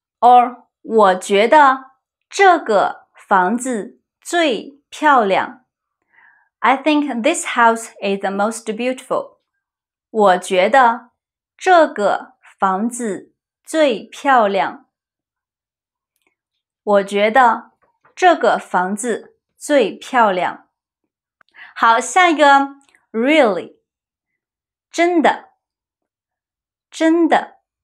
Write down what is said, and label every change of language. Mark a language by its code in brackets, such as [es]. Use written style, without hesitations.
[zh] Or, 我觉得这个房子最漂亮。 [en] I think this house is the most beautiful. [zh] 我觉得这个房子最漂亮。我觉得这个房子最漂亮。好，下一个 ,really, 真的真的。